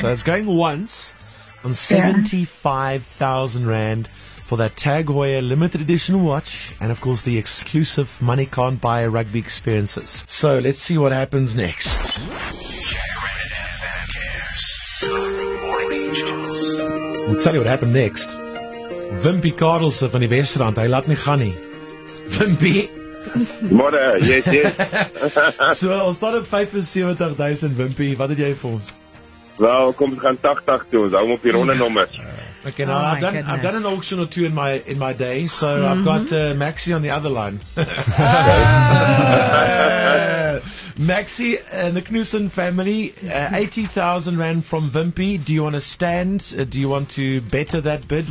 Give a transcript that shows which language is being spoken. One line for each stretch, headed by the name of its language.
English: So it's going once on 75,000 rand for that Tag Heuer limited edition watch, and of course the exclusive Money Can't Buy rugby experiences. So let's see what happens next. We'll tell you what happened next.
Afrikaans: Wimpy Cardles van die restaurant, hy laat my gaan nie. Wimpy! Môre, yes. So, ons staat op 75,000, Wimpy. Wat het jy vir ons? Wel, kom, ons gaan 80 toe. Ons hou op die ronde nommers.
English: Okay, now, oh I've done an auction or two in my day, so mm-hmm. I've got Maxi on the other line. Maxi and the Knussen family, 80,000 rand from Wimpy. Do you want to stand? Do you want to better that bid?